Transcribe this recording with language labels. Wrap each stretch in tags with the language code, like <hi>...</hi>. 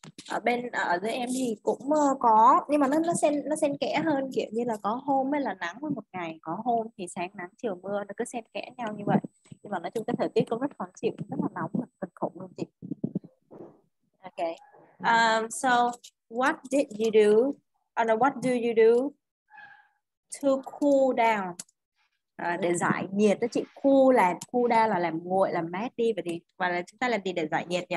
<vi>Ở bên ở dưới em thì cũng có, nhưng mà nó xen kẽ hơn, kiểu như là có hôm hay là nắng một ngày, có hôm thì sáng nắng chiều mưa, nó cứ xen kẽ nhau như vậy. Nhưng mà nói chung cái thời tiết cũng rất khó chịu, rất là nóng, thật khủng luôn chị.</vi> <en>Okay. So what did you do? And what do you do to cool down?</en> <vi>Để giải nhiệt đó chị. Cool down là làm nguội, làm mát đi vậy đi. Và là chúng ta làm gì để giải nhiệt nhỉ?</vi>